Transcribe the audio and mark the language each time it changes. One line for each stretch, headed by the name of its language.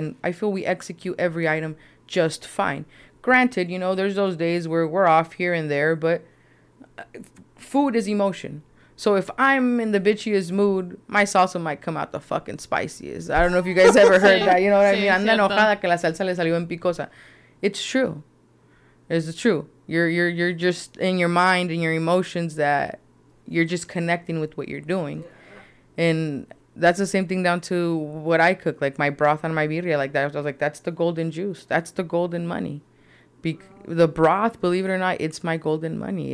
English: And I feel we execute every item just fine. Granted, you know, there's those days where we're off here and there, but food is emotion. So if I'm in the bitchiest mood, my salsa might come out the fucking spiciest. I don't know if you guys ever heard that, you know what I mean?
Spanish: Anda enojada que la salsa le salió en picosa.
English: It's true. It's true. You're just in your mind and your emotions that you're just connecting with what you're doing. And that's the same thing down to what I cook, like my broth on my birria, like that. I was like, that's the golden juice. That's the golden money. The broth, believe it or not, it's my golden money.